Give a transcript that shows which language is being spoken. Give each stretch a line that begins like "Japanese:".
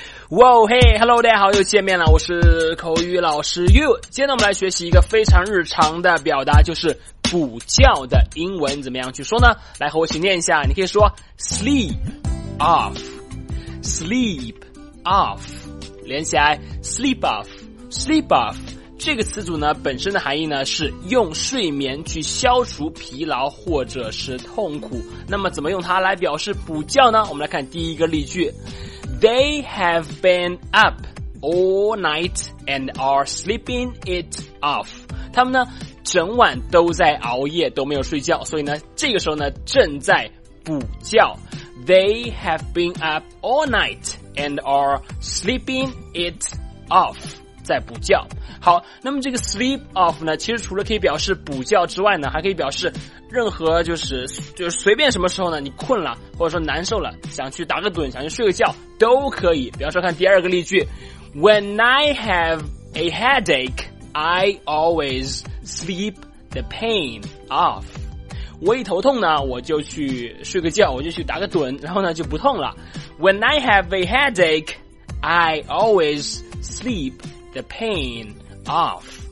Chinese: 哇嘿 ，Hello， 大家好，又见面了，我是口语老师 You。今天呢，我们来学习一个非常日常的表达，就是补觉的英文怎么样去说呢？来和我一起念一下，你可以说 sleep off， sleep off， 连起来 sleep off， sleep off。这个词组呢，本身的含义呢是用睡眠去消除疲劳或者是痛苦。那么怎么用它来表示补觉呢？我们来看第一个例句。
English: They have been up all night and are sleeping it off.
Chinese: 他们呢整晚都在熬夜，都没有睡觉，所以呢这个时候呢正在补觉。
English: They have been up all night and are sleeping it off.
Chinese: 在补觉。好，那么这个 sleep off 呢，其实除了可以表示补觉之外呢，还可以表示任何就是随便什么时候呢，你困了或者说难受了，想去打个盹，想去睡个觉都可以。比方说看第二个例句，
English: When I have a headache, I always sleep the pain off.
Chinese: 我一头痛呢，我就去睡个觉，我就去打个盹，然后呢就不痛了。
English: When I have a headache, I always sleepThe pain off.